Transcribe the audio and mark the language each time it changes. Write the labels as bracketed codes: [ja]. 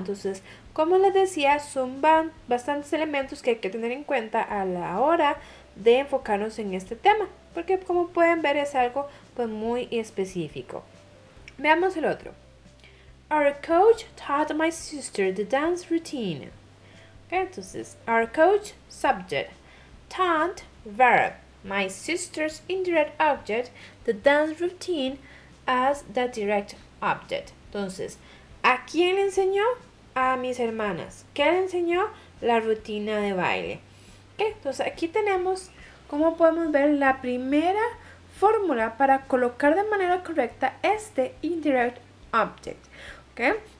[es] Entonces, como les decía, son bastantes elementos que hay que tener en cuenta a la hora de enfocarnos en este tema. Porque como pueden ver, es algo pues, muy específico. Veamos el otro. [en] Our coach taught my sister the dance routine. Okay, entonces, our coach subject taught verb. My sister's indirect object, the dance routine, as the direct object. [es] Entonces, ¿a quién le enseñó? A mis hermanas. ¿Qué le enseñó? La rutina de baile. Entonces aquí tenemos cómo podemos ver la primera fórmula para colocar de manera correcta este indirect object. ¿Okay?